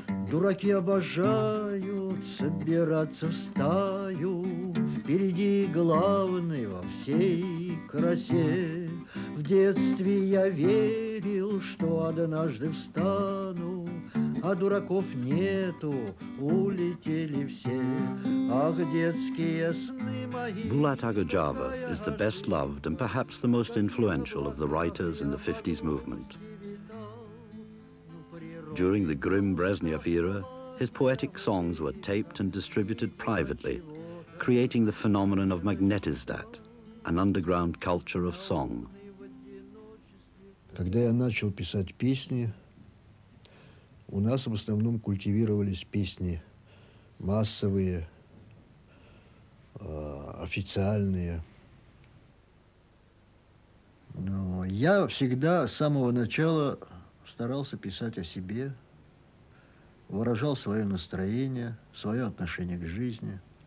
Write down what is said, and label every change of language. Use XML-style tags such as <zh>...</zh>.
<ru>Дураки обожают собираться в стаю, впереди главный во всей красе. В детстве я верил, что однажды встану, а дураков нету, улетели все. Ах, детские сны мои.</ru> <en>Булат Агаджава is the best loved and perhaps the most influential of the writers in the 50s movement. During the grim Brezhnev era, his poetic songs were taped and distributed privately, creating the phenomenon of magnetizdat, an underground culture of song.</en> <ru>Когда я начал писать песни, у нас в основном культивировались песни массовые, официальные. Но я всегда с самого начала старался писать о себе, выражал свое настроение, свое отношение к жизни.</ru>